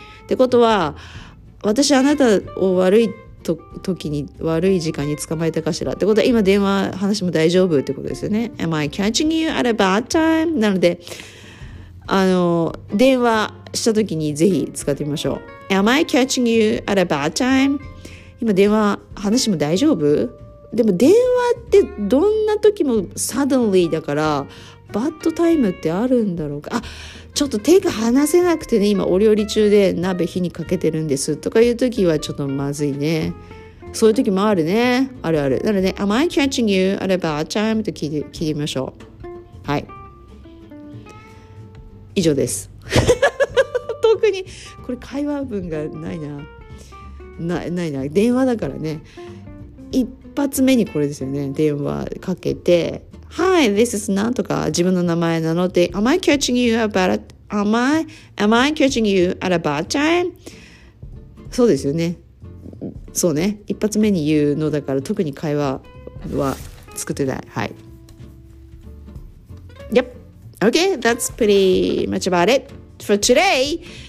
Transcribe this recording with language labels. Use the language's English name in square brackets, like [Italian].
[Japanese] ってことは、私あなたを悪い時に悪い時間に捕まえたかしらってことは、今電話話も大丈夫ってことですよね。 [English] Am I catching you at a bad time? [Japanese] なので電話した時にぜひ使ってみましょう。 [English] Am I catching you at a bad time? [Japanese] 今電話話も大丈夫。でも電話ってどんな時も suddenly だから、 bad time ってあるんだろうか。あ、ちょっと手が離せなくてね、今お料理中で鍋火にかけてるんですとかいう時はちょっとまずいね。そういう時もあるね。あるある。なので、 [English] Am I catching you at a bad time? [Japanese] と聞いてみましょう。はい。以上です。特に、これ会話文がないな。ないな。電話だからね。一発目にこれですよね。電話かけて。 [English] Hi, this is [Japanese] なんとか自分の名前名乗って、 [English] Am I catching you at a bad time? [Japanese] そうですよね。そうね。一発目に言うのだから特に会話は作ってない。はい。 [English] Yep. Okay, that's pretty much about it for today.